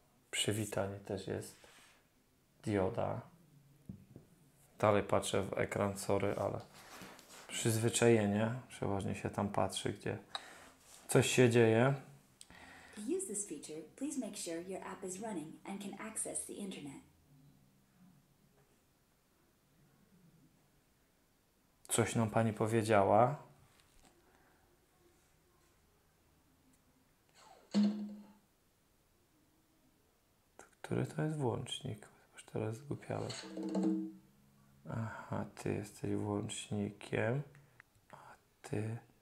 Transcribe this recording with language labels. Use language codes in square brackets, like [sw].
[pl] Przywitanie też jest. Dioda. Dalej patrzę w ekran, sorry, ale przyzwyczajenie. Przeważnie się tam patrzy, gdzie coś się dzieje. [en] To use this feature, please make sure your app is running and can access the internet. [pl] Coś nam pani powiedziała. Który to jest włącznik? Już teraz zgłupiałem. Aha, ty jesteś włącznikiem. A ty...